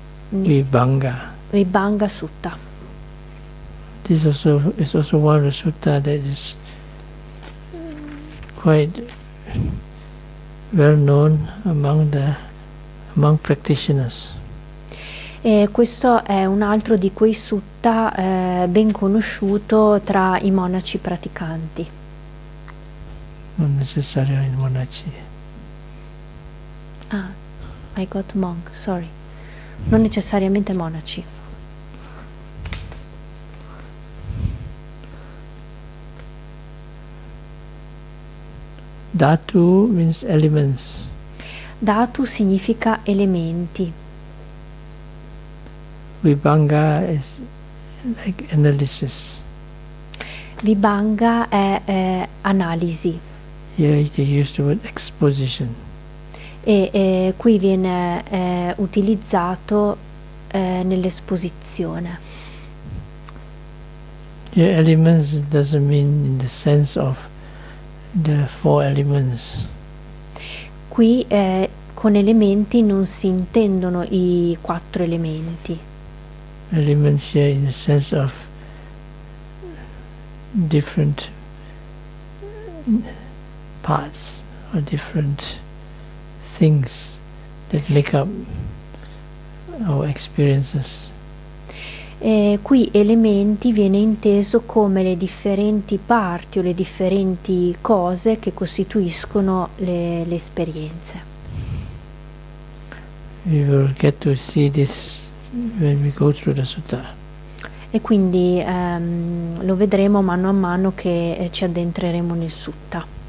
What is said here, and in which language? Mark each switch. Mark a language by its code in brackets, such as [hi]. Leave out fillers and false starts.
[pi] Vibhanga. Vibhanga Sutta. [en] This also is also one of the sutta that is quite well known among practitioners. [it] E questo è un altro di quei sutta ben conosciuto tra i monaci praticanti. Non necessario i monaci. [en] Ah, I got monk, sorry. [it] Non necessariamente monaci. [en] Dhatu means elements. [it] Dhatu significa elementi. [en] Vibhanga is like analysis. [it] Vibhanga è analisi. [en] Here you can use the word exposition. [it] E qui viene utilizzato nell'esposizione. [en] The elements doesn't mean in the sense of the four elements. [it] Qui con elementi non si intendono i quattro elementi. [en] Elements here in the sense of different parts or different things that make up our experiences. [it] Qui elementi viene inteso come le differenti parti o le differenti cose che costituiscono le esperienze. [en] We will get to see this when we go through the sutta. [it] E quindi lo vedremo mano a mano che ci addentreremo nel sutta.